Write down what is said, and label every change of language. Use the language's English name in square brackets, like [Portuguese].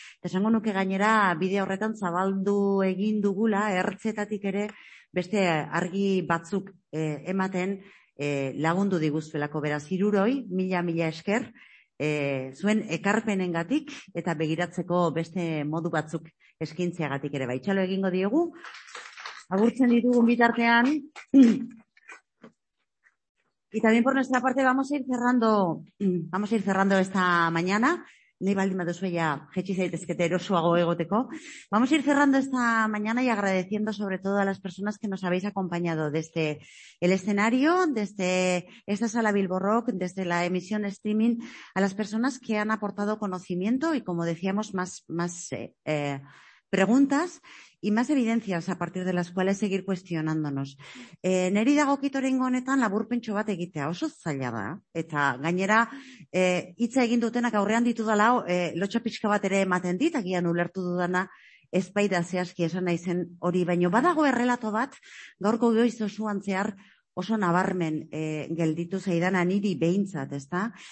[Basque] Esango nuke gainera bide horretan zabaldu egin dugula ertzetatik ere beste argi batzuk ematen lagundu diguzuelako, beraz hiruroi mila esker zuen ekarpenengatik eta begiratzeko beste modu batzuk eskintzeagatik ere bai. Txalo egingo diogu. Agurtzen ditugun bitartean [Spanish] y también por nuestra parte vamos a ir cerrando esta mañana. [Basque] Ni baldin baduzu ya jetxi zaitezkete erosoago egoteko. [Spanish] Vamos a ir cerrando esta mañana y agradeciendo sobre todo a las personas que nos habéis acompañado desde el escenario, desde esta sala Bilbo Rock, desde la emisión streaming, a las personas que han aportado conocimiento y, como decíamos, más preguntas. Y más evidencias a partir de las cuales seguir cuestionándonos. [Basque] Neri dagokito oraingo honetan laburpentxo bat egitea oso zaila da. Eta gainera hitza egin dutenak aurrean ditudala lotxa pixka bat ere ematen dit, agian ulertu dudana ezpaida zehazki esan nahi zen hori. Baino badago errelato bat gaurko goiz osoan zehar oso nabarmen gelditu zaidana niri behintzat, ezta?